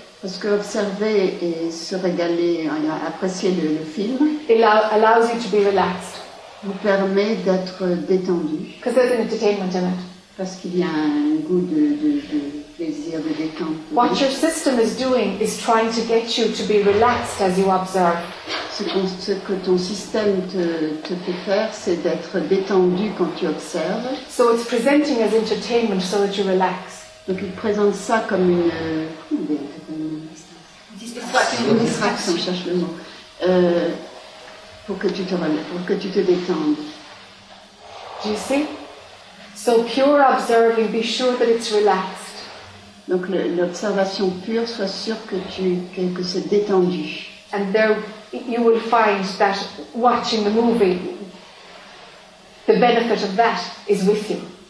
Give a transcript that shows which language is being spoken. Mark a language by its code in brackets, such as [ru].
[fr] Parce que observer et se régaler, apprécier le film. [en] Allows you to be relaxed. [fr] Vous permet d'être détendu. [en] Because there's an entertainment in it. [fr] Parce qu'il y a un goût de plaisir, de détente. [en] What your system is doing is trying to get you to be relaxed as you observe. [fr] Ce que ton système te fait faire, c'est d'être détendu quand tu observes. [en] So it's presenting as entertainment so that you relax. [fr] Donc il présente ça comme une distraction. On cherche le mot pour que tu te détendes. [en] Do you see? So pure observing, be sure that it's relaxed. [fr] Donc l'observation pure, sois sûr que c'est détendu. [en] And there you will find that watching the movie, the benefit of that is with you.